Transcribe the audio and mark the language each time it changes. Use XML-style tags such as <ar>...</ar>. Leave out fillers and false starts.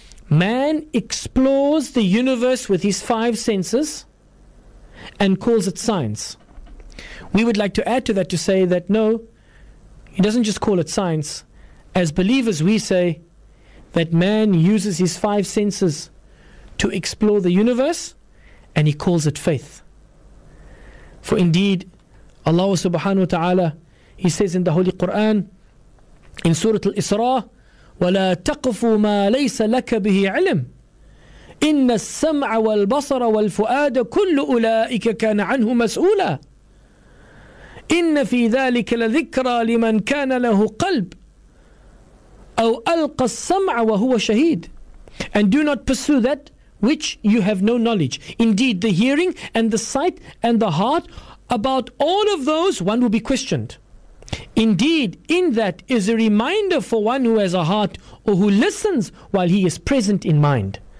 <en>Man explores the universe with his five senses and calls it science. We would like to add to that to say that no, he doesn't just call it science. As believers, we say that man uses his five senses to explore the universe and he calls it faith. For indeed, Allah subhanahu wa ta'ala, he says in the Holy Quran, in Surah Al-Isra,</en> <ar>وَلَا تَقْفُ مَا لَيْسَ لَكَ بِهِ عِلْمٍ إِنَّ السَّمْعَ وَالْبَصَرَ وَالْفُؤَادَ كُلُّ أُولَٰئِكَ كَانَ عَنْهُ مَسْؤُولًا إِنَّ فِي ذَلِكَ لَذِكْرَى لِمَنْ كَانَ لَهُ قَلْبٌ أَوْ أَلْقَى السَّمْعَ وَهُوَ شَهِيدٌ.</ar> <en>And do not pursue that which you have no knowledge. Indeed, the hearing and the sight and the heart, about all of those one will be questioned. Indeed, in that is a reminder for one who has a heart or who listens while he is present in mind.</en>